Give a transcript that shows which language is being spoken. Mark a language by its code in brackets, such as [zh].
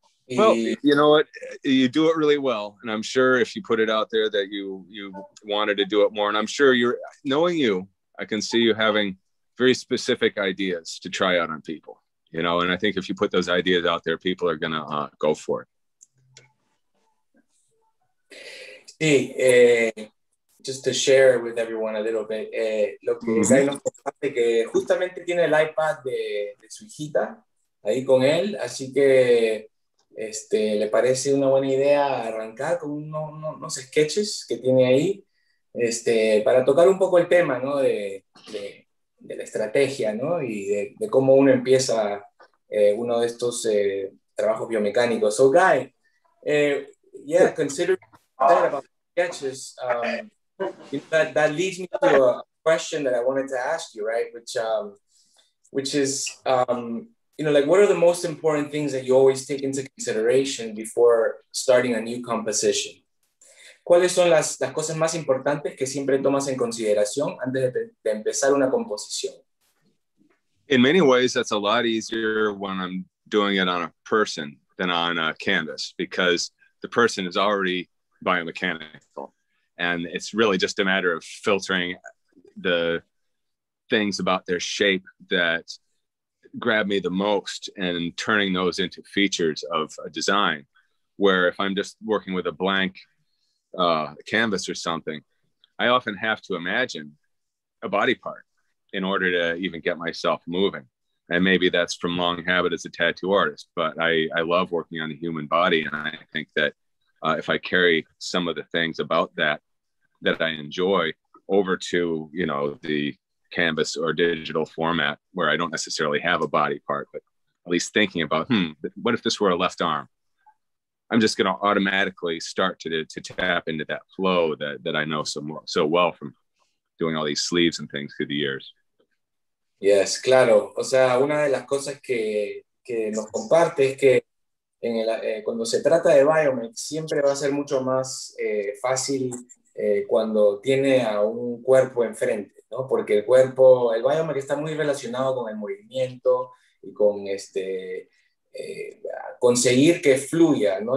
[en] Well, you know what? You do it really well. And I'm sure if you put it out there that you wanted to do it more. And I'm sure you're, knowing you, I can see you having very specific ideas to try out on people, you know? And I think if you put those ideas out there, people are going to go for it. [es] Sí, [en] just to share with everyone a little bit, [es] lo que es importante que justamente tiene el iPad de su hijita ahí con él, así que le parece una buena idea arrancar con unos sketches que tiene ahí, para tocar un poco el tema, ¿no?, de la estrategia, ¿no?, y de cómo uno empieza uno de estos trabajos biomecánicos. [en] So, Guy, yeah, consider that about sketches. That leads me to a question that I wanted to ask you, right, which is... you know, like, what are the most important things that you always take into consideration before starting a new composition? [es] ¿Cuáles son las cosas más importantes que siempre tomas en consideración antes de empezar una composición? [en] In many ways, that's a lot easier when I'm doing it on a person than on a canvas, because the person is already biomechanical, and it's really just a matter of filtering the things about their shape that grab me the most and turning those into features of a design, where if I'm just working with a blank canvas or something, I often have to imagine a body part in order to even get myself moving. And maybe that's from long habit as a tattoo artist, but I love working on the human body, and I think that if I carry some of the things about that I enjoy over to, you know, the canvas or digital format where I don't necessarily have a body part, but at least thinking about, what if this were a left arm? I'm just going to automatically start to tap into that flow that I know so well from doing all these sleeves and things through the years. [es] Yes, claro. O sea, una de las cosas que nos comparte es que en el, cuando se trata de Biomex, siempre va a ser mucho más fácil cuando tiene a un cuerpo enfrente, ¿no? Porque el cuerpo, el Biomex está muy relacionado con el movimiento y con este, conseguir que fluya, ¿no?